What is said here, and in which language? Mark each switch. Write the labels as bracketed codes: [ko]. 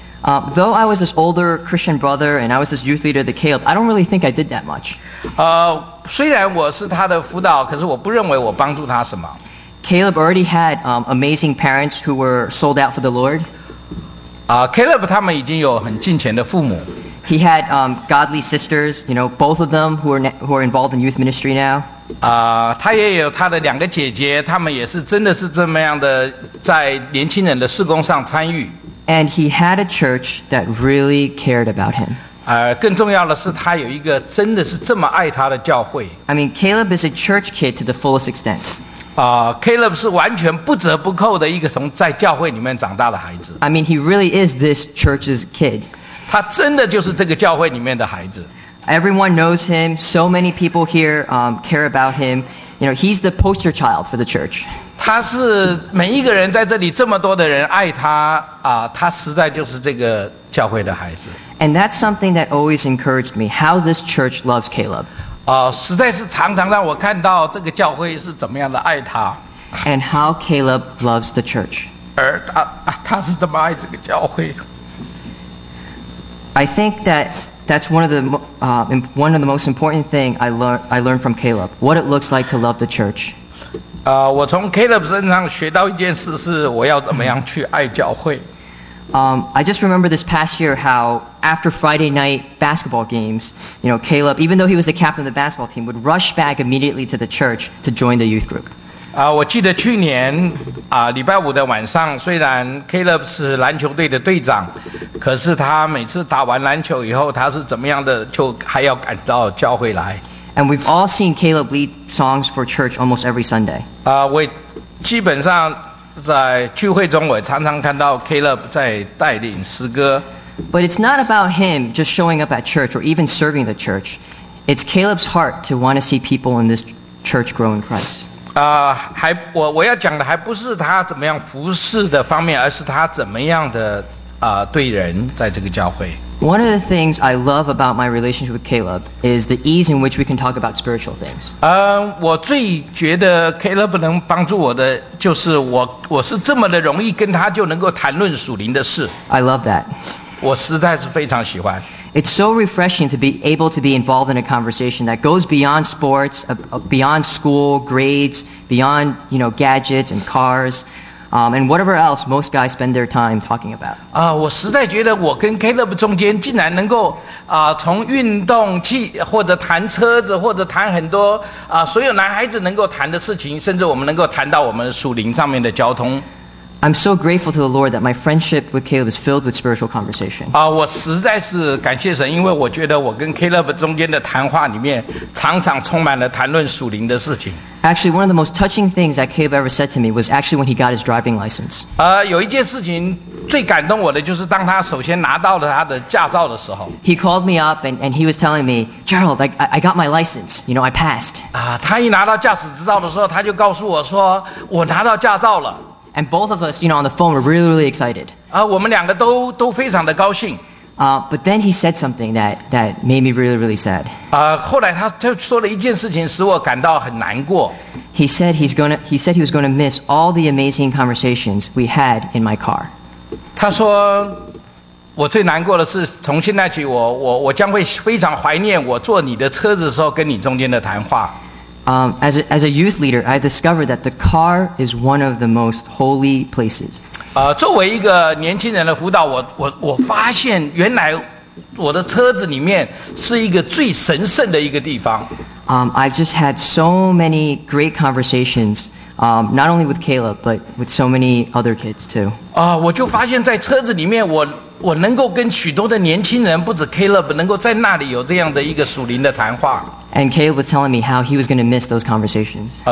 [en] Though I was this older Christian brother and I was this youth leader to Caleb, I don't really think I did that much. [zh] 虽然我是他的辅导，可是我不认为我帮助他什么。Caleb [en] already had amazing parents who were sold out for the Lord. [zh] Caleb他们已经有很敬虔的父母。 [en] He had godly sisters, you know, both of them who are involved in youth ministry now. [zh] 他也有他的两个姐姐，他们也是真的是这么样的，在年轻人的事工上参与。 [en] And he had a church that really cared about him. [zh] 更重要的是，他有一个真的是这么爱他的教会。 [en] I mean, Caleb is a church kid to the fullest extent. [zh] Caleb 是完全不折不扣的一个从在教会里面长大的孩子。 [en] I mean, he really is this church's kid. [zh] 他真的就是这个教会里面的孩子。 [en] Everyone knows him. So many people here care about him. You know, he's the poster child for the church. [zh] 他是每一个人在这里这么多的人爱他他实在就是这个教会的孩子。 [en] And that's something that always encouraged me, how this church loves Caleb. [zh] 实在是常常让我看到这个教会是怎么样的爱他。 [en] And how Caleb loves the church. [zh] 而他是怎么爱这个教会。 [en] I think that that's one of the most important thing I learned from Caleb, what it looks like to love the church. [zh] 我从 Caleb 身上学到一件事，是我要怎么样去爱教会。 [en] I just remember this past year how after Friday night basketball games, you know, Caleb, even though he was the captain of the basketball team, would rush back immediately to the church to join the youth group. [zh] 我记得去年礼拜五的晚上，虽然 Caleb 是篮球队的队长，可是他每次打完篮球以后，他是怎么样的，就还要赶到教会来。 [en] And we've all seen Caleb lead songs for church almost every Sunday. [zh] 我基本上在聚会中，我常常看到 Caleb 在带领诗歌。 [en] But it's not about him just showing up at church or even serving the church. It's Caleb's heart to want to see people in this church grow in Christ. [zh] 我要讲的还不是他怎么样服侍的方面，而是他怎么样的对人在这个教会。 [en] One of the things I love about my relationship with Caleb is the ease in which we can talk about spiritual things. [zh] 我最觉得 Caleb 能帮助我的就是我是这么的容易跟他就能够谈论属灵的事。 [en] I love that. [zh] 我实在是非常喜欢。 [en] It's so refreshing to be able to be involved in a conversation that goes beyond sports, beyond school, grades, beyond, you know, gadgets and cars. And whatever else most guys spend their time talking about. [zh] 我实在觉得我跟 Caleb 中间竟然能够从运动器或者谈车子或者谈很多所有男孩子能够谈的事情，甚至我们能够谈到我们属灵上面的交通。 [en] I'm so grateful to the Lord that my friendship with Caleb is filled with spiritual conversation. [zh] 我实在是感谢神，因为我觉得我跟 Caleb 中间的谈话里面常常充满了谈论属灵的事情。 [en] Actually, one of the most touching things that Caleb ever said to me was actually when he got his driving license. [zh] 有一件事情最感动我的就是当他首先拿到了他的驾照的时候。 [en] He called me up and he was telling me, Gerald, I got my license. You know, I passed. [zh] 他一拿到驾驶执照的时候，他就告诉我说，我拿到驾照了。 [en] And both of us, you know, on the phone were really, really excited. [zh] 我们两个都非常的高兴。 [en] But then he said something that made me really, really sad. [zh] 后来他就说了一件事情使我感到很难过。 [en] He said he was going to miss all the amazing conversations we had in my car. [zh] 他说，我最难过的是从现在起我将会非常怀念我坐你的车子的时候跟你中间的谈话。 [en] As a youth leader, I discovered that the car is one of the most holy places. [zh] 作为一个年轻人的辅导，我发现原来我的车子里面是一个最神圣的一个地方。 [en] I've just had so many great conversations, not only with Caleb, but with so many other kids too. [zh] 我就发现在车子里面我能够跟许多的年轻人，不止 Caleb， 能够在那里有这样的一个属灵的谈话。 [en] And Caleb was telling me how he was going to miss those conversations.